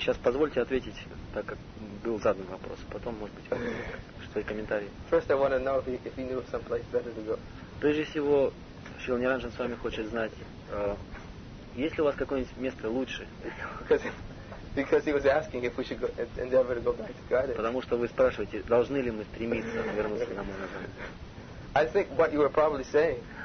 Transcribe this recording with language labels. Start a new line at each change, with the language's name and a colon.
Russian: Сейчас позвольте ответить, так как был задан вопрос. Потом, может быть, что-то комментарий.
English: First, I want to know if you knew some place better to go.
Russian: Прежде всего, Шрила Ниранджан с вами хочет знать, есть ли у вас какое-нибудь место лучше? Потому что вы спрашиваете, должны ли мы стремиться вернуться домой назад.
English: I think what you were probably saying.